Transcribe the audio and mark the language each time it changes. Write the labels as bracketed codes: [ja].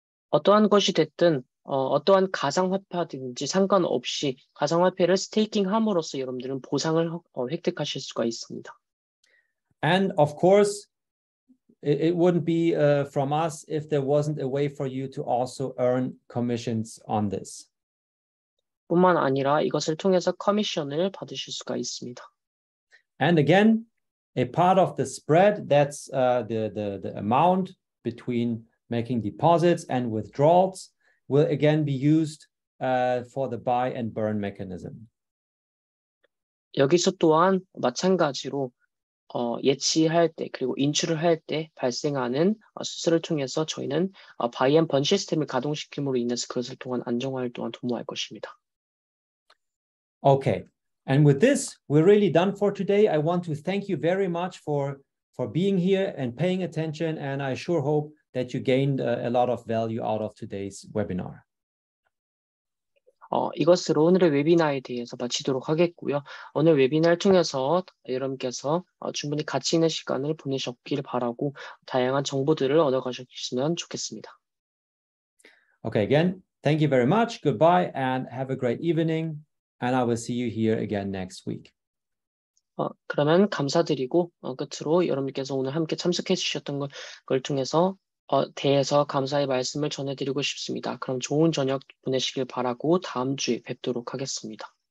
[ko] 어떠한 것이 됐든 어떠한 가상화폐든지 상관없이 가상화폐를 스테이킹함으로써 여러분들은 보상을 획득하실 수가 있습니다. [en] And of course, it wouldn't be from us if there wasn't a way for you to also earn commissions on this. [ko] 뿐만 아니라 이것을 통해서 커미션을 받으실 수가 있습니다. [en] And again, a part of the spread, that's the amount between making deposits and withdrawals, will again be used for the buy and burn mechanism. [ko] 여기서 또한 마찬가지로 예치할 때 그리고 인출을 할 때 발생하는 수수료를 통해서 저희는 buy and burn 시스템을 가동시킴으로 인해서 그것을 통한 안정화를 또한 도모할 것입니다. [en] Okay, and with this, we're really done for today. I want to thank you very much for being here and paying attention, and I sure hope that you gained a lot of value out of today's webinar. [ko] 이것으로 오늘의 웨비나에 대해서 마치도록 하겠고요. 오늘 웨비나를 통해서 여러분께서 충분히 가치 있는 시간을 보내셨길 바라고 다양한 정보들을 얻어가셨으면 좋겠습니다. [en] Okay, again, thank you very much. Goodbye and have a great evening. And I will see you here again next week. [ko] 그러면 감사드리고 끝으로 여러분께서 오늘 함께 참석해 주셨던 걸 통해서 대해서 감사의 말씀을 전해드리고 싶습니다. 그럼 좋은 저녁 보내시길 바라고 다음 주에 뵙도록 하겠습니다.